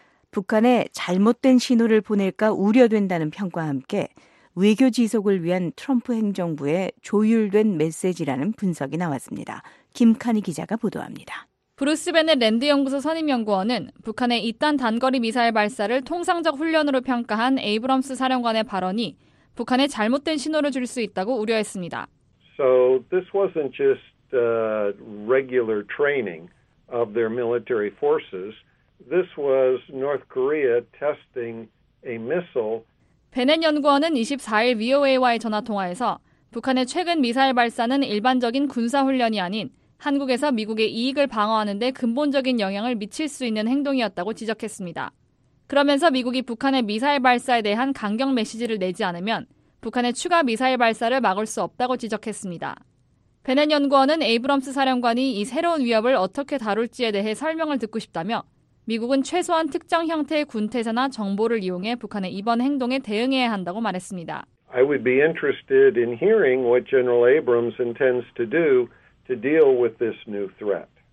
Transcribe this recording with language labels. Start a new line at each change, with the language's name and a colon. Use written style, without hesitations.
Korean: 북한에 잘못된 신호를 보낼까 우려된다는 평가와 함께 외교 지속을 위한 트럼프 행정부의 조율된 메시지라는 분석이 나왔습니다. 김카니 기자가 보도합니다. 브루스 베넷 랜드 연구소 선임 연구원은 북한의 이딴 단거리 미사일 발사를 통상적 훈련으로 평가한 에이브럼스 사령관의 발언이 북한에 잘못된 신호를 줄 수 있다고 우려했습니다.
English: So this wasn't just regular training of their military forces. This was North Korea testing a missile.
Korean: 베넷 연구원은 24일 VOA와의 전화 통화에서 북한의 최근 미사일 발사는 일반적인 군사 훈련이 아닌 한국에서 미국의 이익을 방어하는 데 근본적인 영향을 미칠 수 있는 행동이었다고 지적했습니다. 그러면서 미국이 북한의 미사일 발사에 대한 강경 메시지를 내지 않으면 북한의 추가 미사일 발사를 막을 수 없다고 지적했습니다. 베넷 연구원은 에이브럼스 사령관이 이 새로운 위협을 어떻게 다룰지에 대해 설명을 듣고 싶다며 미국은 최소한 특정 형태의 군태세나 정보를 이용해 북한의 이번 행동에 대응해야 한다고 말했습니다.
English: I would be interested in hearing what General Abrams intends to do to deal with this new threat.